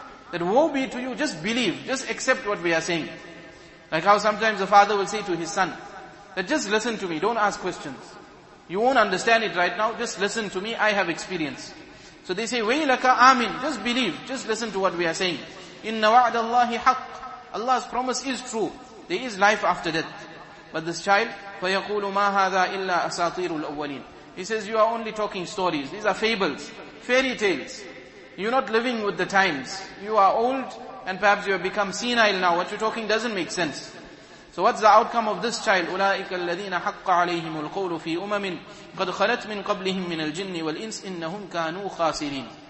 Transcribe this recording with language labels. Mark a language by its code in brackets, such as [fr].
[en] That woe be to you, just believe, just accept what we are saying. Like how sometimes a father will say to his son, that just listen to me, don't ask questions. You won't understand it right now, just listen to me, I have experience. So they say, [ar] وَيْلَكَ آمِنْ. [en] Just believe, just listen to what we are saying. [ar] إِنَّ وَعْدَ اللَّهِ حَقٌّ. [en] Allah's promise is true, there is life after death. But this child, [ar] فَيَقُولُ مَا هَذَا إِلَّا أَسَاطِيرُ الْأَوَّلِينَ. [en] He says, you are only talking stories, these are fables, fairy tales. You're not living with the times, you are old and perhaps you have become senile now, what you're talking doesn't make sense. So what's the outcome of this child? [ar] أُولَٰئِكَ الَّذِينَ حَقَّ عَلَيْهِمُ الْقَوْلُ فِي أُمَمٍ قَدْ خَلَتْ مِنْ قَبْلِهِمْ مِنَ الْجِنِّ وَالْإِنسِ إِنَّهُمْ كَانُوا خَاسِرِينَ.